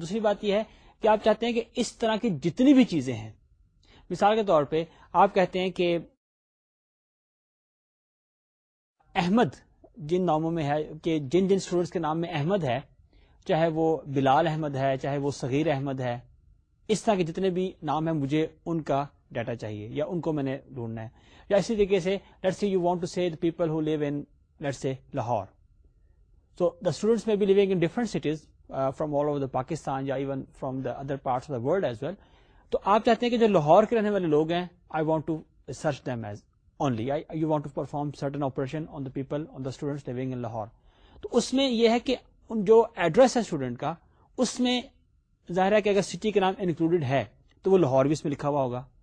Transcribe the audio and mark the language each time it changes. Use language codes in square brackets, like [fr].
[ur] دوسری بات یہ ہے کہ آپ چاہتے ہیں کہ اس طرح کی جتنی بھی چیزیں ہیں, مثال کے طور پہ آپ کہتے ہیں کہ احمد جن ناموں میں ہے, کہ جن جن اسٹوڈنٹس کے نام میں احمد ہے, چاہے وہ بلال احمد ہے, چاہے وہ صغیر احمد ہے, اس طرح کے جتنے بھی نام ہیں مجھے ان کا ڈیٹا چاہیے یا ان کو میں نے ڈھونڈنا ہے. یا اسی طریقے سے [en] Let's say you want to say the people who live in let's say Lahore, so the students may be living in different cities from all over the Pakistan یا even from the other parts of the world as well. [ur] تو آپ چاہتے ہیں کہ جو لاہور کے رہنے والے لوگ ہیں [en] I want to search them as only, you want to perform certain operation on the people on the students living in Lahore. [ur] تو اس میں یہ ہے کہ جو ایڈریس ہے اسٹوڈنٹ کا اس میں ظاہر ہے کہ اگر سٹی کا نام انکلوڈیڈ ہے تو وہ لاہور بھی اس میں لکھا ہوا ہوگا.